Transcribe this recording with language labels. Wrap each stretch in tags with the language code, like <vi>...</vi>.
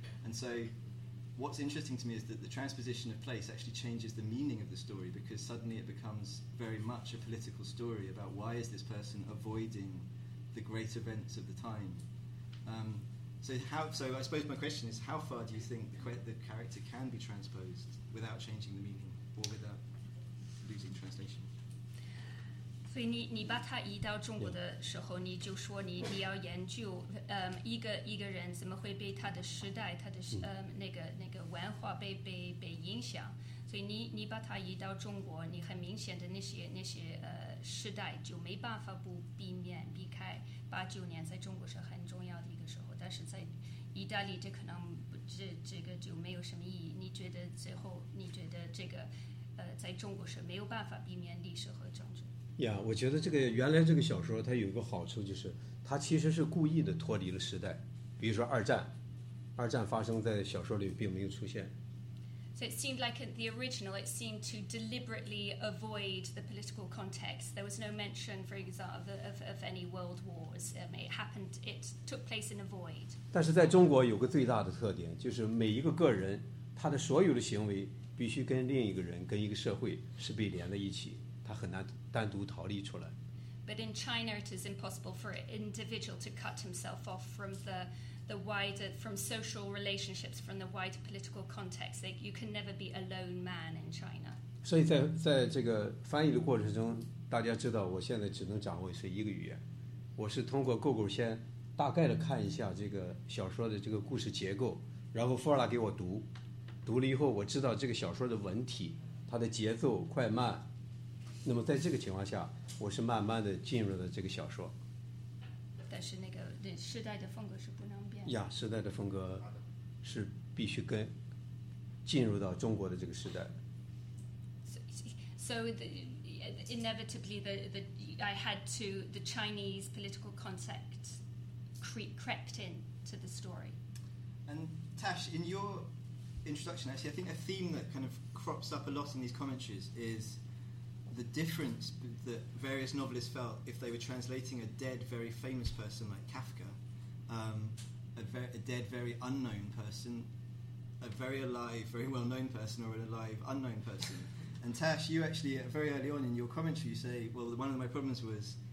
<en>And so what's interesting to me is that the transposition of place actually changes the meaning of the story, because suddenly it becomes very much a political story about why is this person avoiding the great events of the time. So I suppose my question is, how far do you think the character can be transposed without changing the meaning or without losing translation?</en> <zh>所以你把他移到中国的时候，你就说你要研究一个人怎么会被他的时代他的那个文化被影响。所以你把他移到中国，你很明显的那些时代就没办法不避免避开。八九年在中国是很重要的一个时候，但是在意大利这可能这个就没有什么意义。你觉得这个在中国是没有办法避免历史和政治。呀、yeah, ，我觉得这个原来这个小说它有一个好处，就是它其实是故意的脱离了时代。比如说二战发生在小说里并没有出现。</zh> <en>So it seemed like the original, it seemed to deliberately avoid the political context. There was no mention, for example, of any world wars. It happened. It took place in a void.</en> <zh>但是在中国有个最大的特点，就是每一个个人他的所有的行为必须跟另一个人、跟一个社会是被连在一起。他很难单独逃离出来。</zh> <en>But in China, it is impossible for an individual to cut himself off from the wider, from social relationships, from the wider political context. Like, you can never be a lone man in China.</en> <zh>所以在这个翻译的过程中，大家知道我现在只能掌握是一个语言。我是通过Google先大概的看一下这个小说的这个故事结构，然后Fora给我读，读了以后我知道这个小说的文体，它的节奏快慢。那么在这个情况下，我是慢慢的进入了这个小说。但是那时代的风格是不能变的。呀，时代的风格是必须跟进入到中国的这个时代。</zh> <en>So inevitably the Chinese political context crept into the story. And Tash, in your introduction, actually, I think a theme that kind of crops up a lot in these commentaries is the difference that various novelists felt if they were translating a dead, very famous person like Kafka, a dead, very unknown person, a very alive, very well-known person, or an alive, unknown person. And Tash, you actually, very early on in your commentary, you say, well, one of my problems was</en>